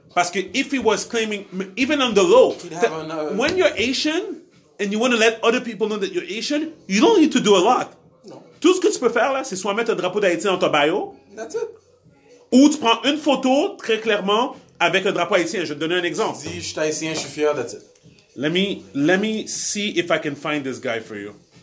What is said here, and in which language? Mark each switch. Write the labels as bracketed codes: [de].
[fr] Parce que [en] if he was claiming, even on the low, when you're Asian and you want to let other people know that you're Asian, you don't need to do a lot. No. [fr] Tout ce que tu peux faire, là, c'est soit mettre un drapeau d'Haïti dans ton bio. [en] That's it. [fr] Ou tu prends une photo, très clairement, avec un drapeau haïtien. Je vais te donner un exemple. Si je suis haïtien, je suis fier, [en] that's it. Let me see if I can find this guy for you.